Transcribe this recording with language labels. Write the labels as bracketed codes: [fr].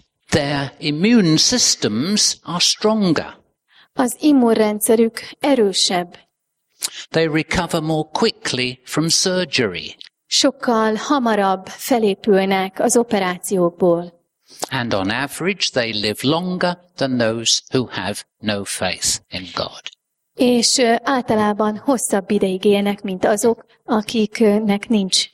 [en] Their immune systems are stronger. [hu] Az immunrendszerük erősebb. [en] They recover more quickly from surgery. [hu] Sokkal hamarabb felépülnek az operációkból. [en] And on average they live longer than those who have no faith in God. [hu] És általában hosszabb ideig élnek, mint azok, akiknek nincs